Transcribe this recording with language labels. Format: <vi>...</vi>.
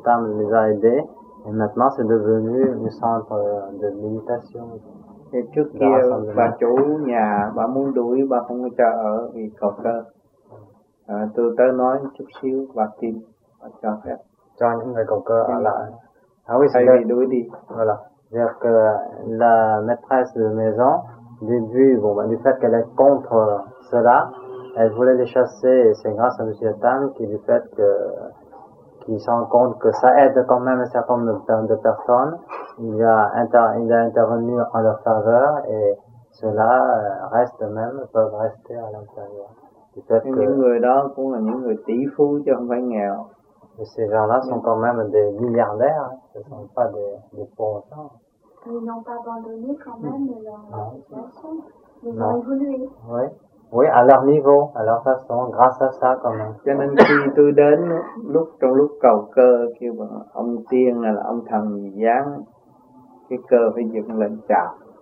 <fr>Tam les a aidés et maintenant c'est devenu un centre de méditation.</fr> <vi>Thì trước kia bà chủ nhà bà muốn đuổi bà không cho ở vì cầu cơ. Tôi tới nói chút xíu bà tìm bà cho phép cho những người cầu cơ ở lại. Thay vì đuổi đi.</vi> <fr>Voilà. C'est-à-dire que la maîtresse de maison, début, bon, du fait qu'elle est contre cela, elle voulait les chasser et c'est grâce à M. Tam qui, du fait que, qui se rend compte que ça aide quand même un certain nombre de personnes, il a intervenu en leur faveur et cela reste même, peuvent rester à l'intérieur. Du fait que,</fr> <vi>những người đó cũng là những người tỷ phú chứ không phải nghèo.</vi> <fr>Et ces gens-là sont quand même des milliardaires, hein. Ce ne sont pas des pauvres gens. Ils n'ont pas abandonné quand même leur situation. Ils ont évolué. Oui. Oui, à leur niveau, à leur façon, grâce à ça quand même.</fr> <vi>Cho nên khi tôi đến, trong lúc cầu cơ, kêu bằng ông tiên hay là ông thần gì dáng, cái cơ phải dựng lên chào.</vi>